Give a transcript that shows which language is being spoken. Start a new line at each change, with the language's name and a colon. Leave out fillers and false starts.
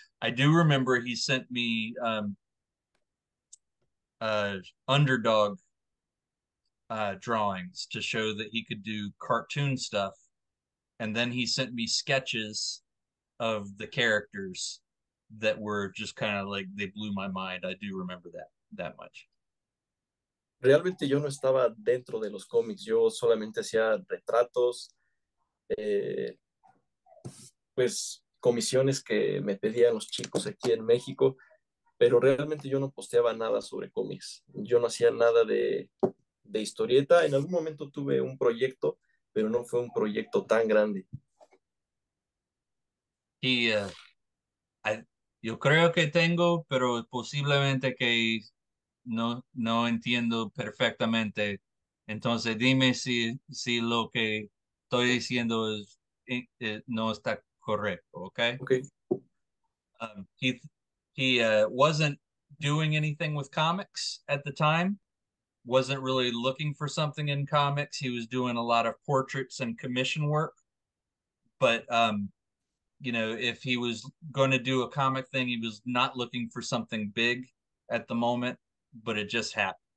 English: I do remember he sent me underdog drawings to show that he could do cartoon stuff, and then he sent me sketches of the characters that were just kind of like, they blew my mind. I do remember that much.
Spanish: Realmente yo no estaba dentro de los cómics. Yo solamente hacía retratos, pues comisiones que me pedían los chicos aquí en México, pero realmente yo no posteaba nada sobre cómics. Yo no hacía nada de historieta. En algún momento tuve un proyecto, pero no fue un proyecto tan grande. Y yo creo que tengo, pero posiblemente que no entiendo perfectamente. Entonces dime si lo que estoy diciendo no está correcto, okay?
English: Okay. He wasn't doing anything with comics at the time. Wasn't really looking for something in comics. He was doing a lot of portraits and commission work. But you know, if he was going to do a comic thing, he was not looking for something big at the moment, but it just happened.